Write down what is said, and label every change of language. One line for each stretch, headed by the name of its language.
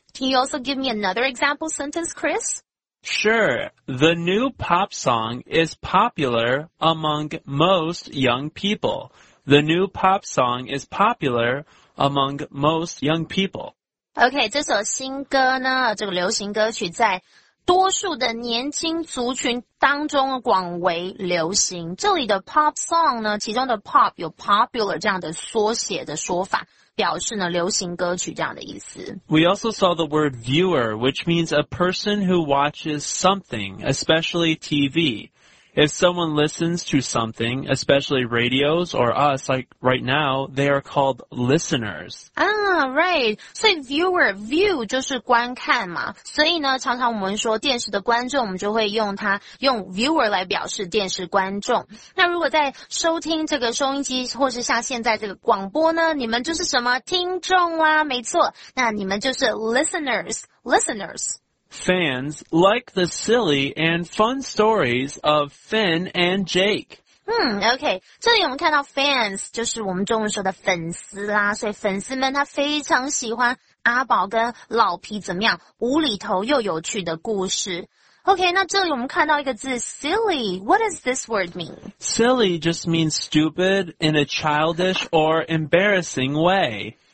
English: Can you also give me another example sentence, Chris? Sure, the new pop song is popular among most young people. The new pop song is popular among most young people.
Chinese: OK, 这首新歌呢，这个流行歌曲在多数的年轻族群当中广为流行。这里的 pop song 呢，其中的 pop 有 popular 这样的缩写的说法。表示呢流行歌曲这样的意思。
English: We also saw the word viewer, which means a person who watches something, especially TV. If someone listens to something, especially radios or us, like right now, they are called listeners.
Chinese: Ah, right. 所以 viewer, view 就是观看嘛。所以呢常常我们说电视的观众我们就会用它用 viewer 来表示电视观众。那如果在收听这个收音机或是像现在这个广播呢你们就是什么听众啦没错。那你们就是 listeners。
English: Fans like the silly and fun stories of Finn and Jake.
Chinese: OK, 这里我们看到 fans 就是我们中文说的粉丝啦，所以粉丝们他非常喜欢阿宝跟老皮怎么样无厘头又有趣的故事。 OK, 那这里我们看到一个字 silly,
English: what does this word mean? Silly just means stupid in a childish or embarrassing way.